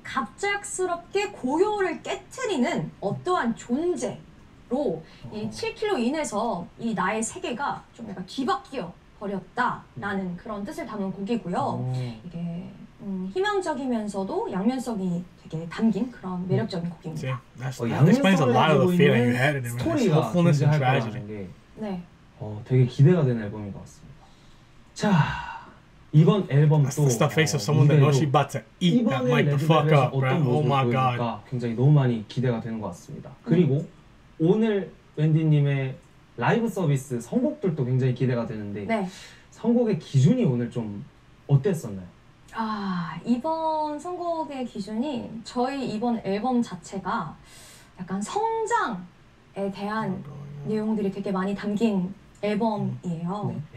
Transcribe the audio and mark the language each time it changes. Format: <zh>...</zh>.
<ko>갑작스럽게 고요를 깨트리는 어떠한 존재로 이 칠킬로 인해서 이 나의 세계가 좀 약간 뒤바뀌어 버렸다라는 그런 뜻을 담은 곡이고요. 이게 희망적이면서도 양면성이 되게 담긴 그런 매력적인 곡입니다.</ko> <en>That explains a lot of the feeling you had in it.</en> <ko>스토리가 굉장히 할 거라는 게 네. 되게 기대가 되는 앨범인 것 같습니다. 자, 이번 앨범도</ko> <en>That's the face of someone that knows she's about to eat that mic the fuck up, right? Oh my god.</en> <ko>굉장히 너무 많이 기대가 되는 것 같습니다. 그리고 오늘 웬디님의 라이브 서비스 선곡들도 굉장히 기대가 되는데 네. 선곡의 기준이 오늘 좀 어땠었나요? 이번 선곡의 기준이 저희 이번 앨범 자체가 약간 성장에 대한 내용들이 되게 많이 담긴 앨범이에요.</ko>